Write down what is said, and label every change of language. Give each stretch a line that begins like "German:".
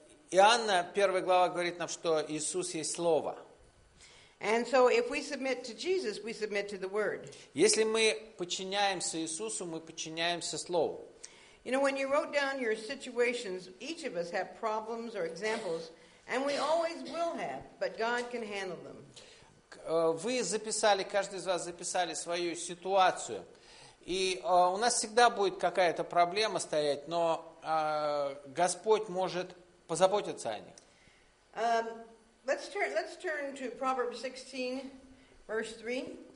Russian: Иоанна, первая глава, говорит нам, что Иисус есть Слово.
English: And so if we submit to Jesus, we submit to the Word.
Russian: Если мы подчиняемся Иисусу, мы подчиняемся Слову.
English: You know, when you wrote down your situations, each of us have problems or examples, and we always will have, but God can handle them.
Russian: Вы записали, каждый из вас записали свою ситуацию. И у нас всегда будет какая-то проблема стоять, но Господь может позаботиться о них.
English: Let's turn to Proverbs 16, verse 3.